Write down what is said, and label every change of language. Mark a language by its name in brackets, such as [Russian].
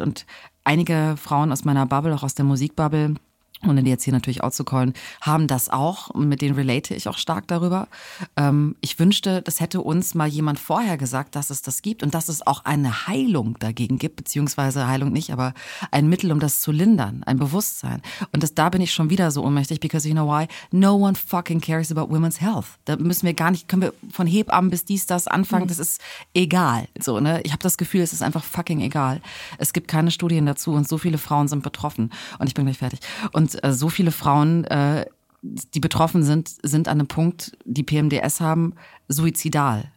[German] Und einige Frauen aus meiner Bubble, auch aus der Musikbubble, ohne die jetzt hier natürlich auszucallen, haben das auch. Und mit denen relate ich auch stark darüber. Ich wünschte, das hätte uns mal jemand vorher gesagt, dass es das gibt und dass es auch eine Heilung dagegen gibt, beziehungsweise Heilung nicht, aber ein Mittel, um das zu lindern, ein Bewusstsein. Und da bin ich schon wieder so ohnmächtig, [English] because you know why? No one fucking cares about women's health. [German] Da müssen wir gar nicht, können wir von Hebammen bis dies, das anfangen, das ist egal. So, ne? Ich habe das Gefühl, es ist einfach fucking egal. Es gibt keine Studien dazu und so viele Frauen sind betroffen. Und ich bin gleich fertig. Und so viele Frauen, die betroffen sind, sind an einem Punkt, die PMDS haben, suizidal.